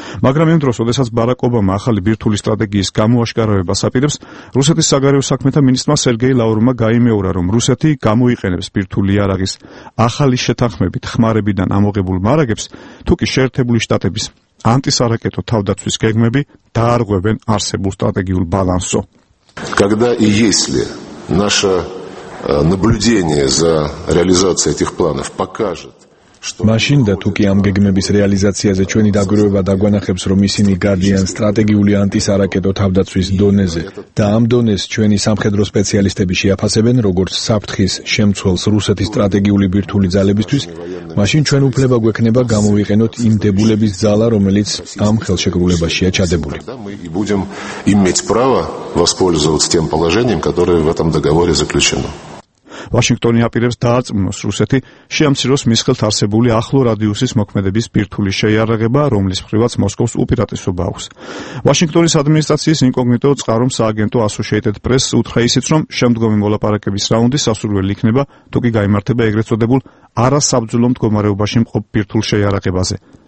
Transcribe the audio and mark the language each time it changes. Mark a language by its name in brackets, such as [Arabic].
[Georgian] მაგრამ იმ დროს, როდესაც ბარაკ ობამა ახალი ბირთვული სტრატეგიის გამოაშკარავებას აპირებს, რუსეთის საგარეო საქმეთა მინისტრმა სერგეი ლავროვმა გაიმეორა, რომ რუსეთი გამოიყენებს ბირთვული იარაღის ახალი შეთანხმებით ხმარებიდან ამოღებულ მარაგებს, თუკი შეერთებული შტატების ანტისარაკეტო თავდაცვის გეგმები დაარღვევენ არსებულ სტრატეგიულ ბალანსო. [Russian] Когда и если наше наблюдение за реализацией этих планов покажет, что машин да [Georgian] თუკი ამ გეგმების რეალიზაციაზე ჩვენი დაგვირება დაგვანახებს, რომ ისინი გარდიან სტრატეგიული ანტისარაკეტო თავდაცვის დონეზე და ამ დონეს ჩვენი სამხედრო სპეციალისტები შეაფასებენ, როგორც საფრთხის შემცველს რუსეთის სტრატეგიული ბირთვული ძალებისთვის, მაშინ ჩვენ უფლება გვექნება გამოვიყენოთ იმ დებულების ძალა, რომელიც ამ ხელშეკრულებაშია ჩადებული. [Russian] И будем иметь право воспользоваться тем положением, которое в этом договоре заключено. [Georgian] ვაშინგტონი აპირებს დაარწმუნოს რუსეთი, შეამციროს მის ხელთ არსებული ახლო რადიუსის მოქმედების ბირთვული შეიარაღება, რომლის მხრივაც მოსკოვს უპირატესობა აქვს. ვაშინგტონის ადმინისტრაციის ინკოგნიტო წყარომ სააგენტო Associated Press უთხრა ისიც, რომ შემდგომი მოლაპარაკების რაუნდი სასურველი იქნება, თუკი გამართება ეგრეთ წოდებულ არასაბძლო მდგომარეობაში მყოფ ბირთვულ შეიარაღებაზე.